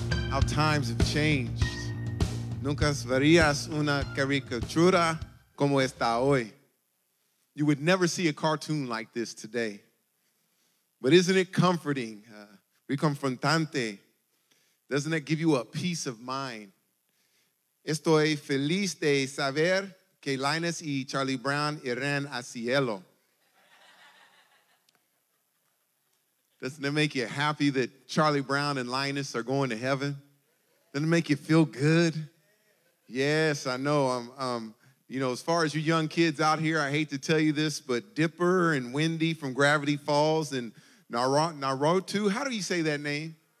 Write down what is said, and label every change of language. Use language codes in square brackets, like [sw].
[en] How times have changed. [es] Nunca verías una caricatura como está hoy. [en] You would never see a cartoon like this today. But isn't it comforting, reconfrontante? Doesn't it give you a peace of mind? [es] Estoy feliz de saber que Linus y Charlie Brown irán a cielo. [en] Doesn't it make you happy that Charlie Brown and Linus are going to heaven? Doesn't it make you feel good? Yes, I know. You know, as far as you young kids out here, I hate to tell you this, but Dipper and Wendy from Gravity Falls and Naruto, how do you say that name?